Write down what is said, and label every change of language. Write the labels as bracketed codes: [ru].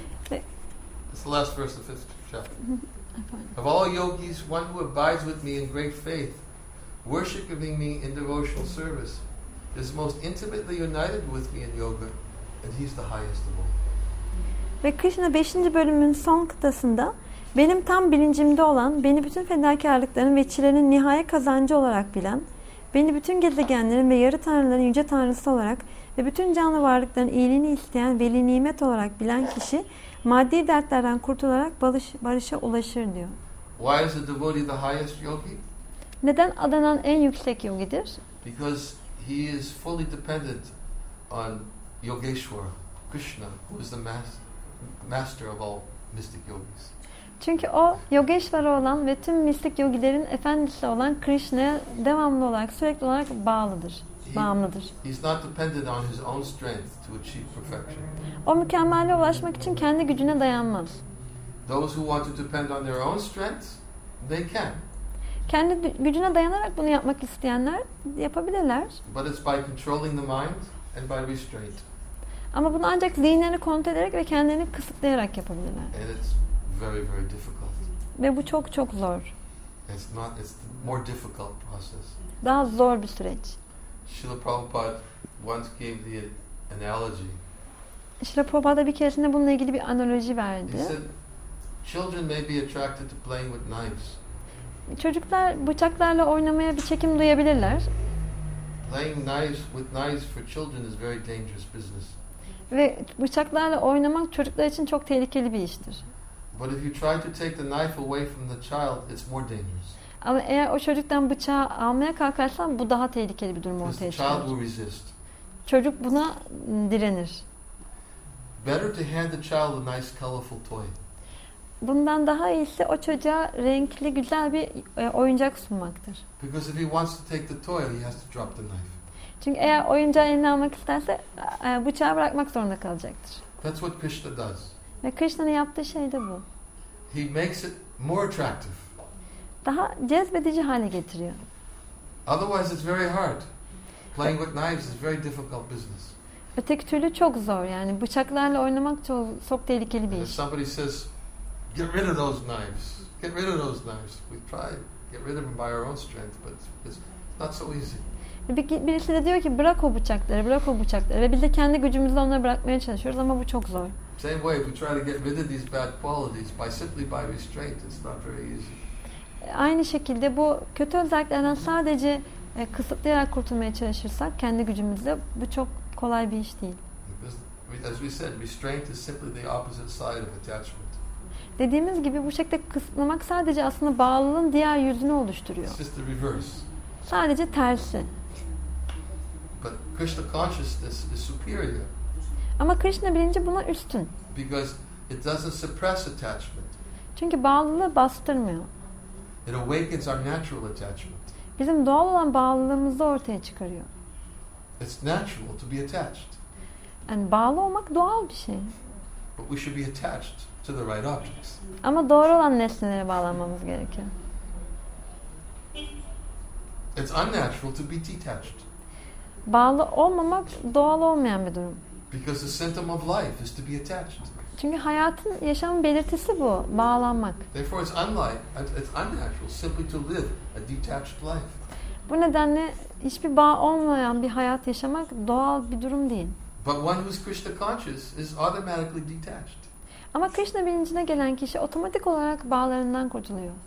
[en] It's the last verse of the 5th chapter. Of all yogis, one who abides with me in great faith, worshipping me in devotional service, is most intimately united with me in yoga, and he's the highest of all. [tr] Ve Krishna 5. bölümün son kıtasında benim tam bilincimde olan, beni bütün fedakarlıkların ve çilenin nihayet kazancı olarak bilen, beni bütün gezegenlerin ve yarı tanrıların yüce tanrısı olarak ve bütün canlı varlıkların iyiliğini isteyen veli nimet olarak bilen kişi maddi dertlerden kurtularak barışa ulaşır diyor. [en] Why is the devotee the highest yogi? [tr] Neden adanan en yüksek yogidir? [en] Because he is fully dependent on Yogeshwara, Krishna, who is the master of all mystic yogis. [tr] Çünkü o Yogeshwara olan ve tüm mistik yogilerin efendisi olan Krishna'ya devamlı olarak, sürekli olarak bağlıdır, bağımlıdır. [en] He's not dependent on his own strength to achieve perfection. [tr] O mükemmelliğe ulaşmak için kendi gücüne dayanmaz. [en] Those who want to depend on their own strength, they can. [tr] Kendi gücüne dayanarak bunu yapmak isteyenler yapabilirler. [en] But it's by controlling the mind and by restraint. [tr] Ama bunu ancak zihinlerini kontrol ederek ve kendilerini kısıtlayarak yapabilirler. [en] And it's very, very difficult. [tr] Ve bu çok çok zor. [en] It's the more difficult process. [tr] Daha zor bir süreç. [en] Srila Prabhupada once gave the analogy. [tr] Srila Prabhupada bir keresinde bununla ilgili bir analoji verdi. [en] He said, children may be attracted to playing with knives. [tr] Çocuklar bıçaklarla oynamaya bir çekim duyabilirler. [en] Playing knives with knives for children is very dangerous business. [tr] Ve bıçaklarla oynamak çocuklar için çok tehlikeli bir iştir. [en] But if you try to take the knife away from the child, it's more dangerous. [tr] Ama eğer o çocuktan bıçağı almaya kalkarsan bu daha tehlikeli bir durum ortaya çıkar. [en] The child will resist. [tr] Çocuk buna direnir. [en] Better to hand the child a nice colorful toy. [tr] Bundan daha iyisi o çocuğa renkli güzel bir oyuncak sunmaktır. [en] Because if he wants to take the toy, he has to drop the knife. [tr] Çünkü eğer oyuncağı eline almak isterse bıçağı bırakmak zorunda kalacaktır. [en] That's what Krishna does. [tr] Ve Krishna'nın yaptığı şey de bu. [en] He makes it more attractive. [tr] Daha cezbedici hale getiriyor. [en] Otherwise it's very hard. Playing with knives is very difficult business. [tr] Öteki türlü çok zor yani. Bıçaklarla oynamak çok tehlikeli bir iş. [en] If somebody says, get rid of those knives. Get rid of those knives. We try get rid of them by our own strength, but it's not so easy. [tr] Birisi de diyor ki bırak o bıçakları, bırak o bıçakları. Ve biz de kendi gücümüzle onları bırakmaya çalışıyoruz ama bu çok zor. [en] Same way, if we try to get rid of these bad qualities by simply by restraint, it's not very easy. [tr] Aynı şekilde bu kötü özelliklerden sadece kısıtlayarak kurtulmaya çalışırsak kendi gücümüzle bu çok kolay bir iş değil. [en] Because, as we said, restraint is simply the opposite side of attachment. [tr] Dediğimiz gibi bu şekilde kısıtlamak sadece aslında bağlılığın diğer yüzünü oluşturuyor. [en] It's just the reverse. [tr] Sadece tersi. [en] But Krishna consciousness is superior. [tr] Ama Krishna bilinci buna üstün. [en] Because it doesn't suppress attachment. [tr] Çünkü bağlılığı bastırmıyor. [en] It awakens our natural attachment. [tr] Bizim doğal olan bağlılığımızı ortaya çıkarıyor. [en] It's natural to be attached. [tr] And bağlı olmak doğal bir şey. [en] But we should be attached to the right objects. [tr] Ama doğru olan nesnelere bağlanmamız gerekiyor. [en] It's unnatural to be detached. [tr] Bağlı olmamak doğal olmayan bir durum. [en] Because the symptom of life is to be attached. [tr] Çünkü hayatın, yaşamın belirtisi bu, bağlanmak. [en] Therefore it's unnatural simply to live a detached life. [tr] Bu nedenle hiçbir bağ olmayan bir hayat yaşamak doğal bir durum değil. [en] But one who's Krishna conscious is automatically detached. [tr] Ama Krishna bilincine gelen kişi otomatik olarak bağlarından kurtuluyor.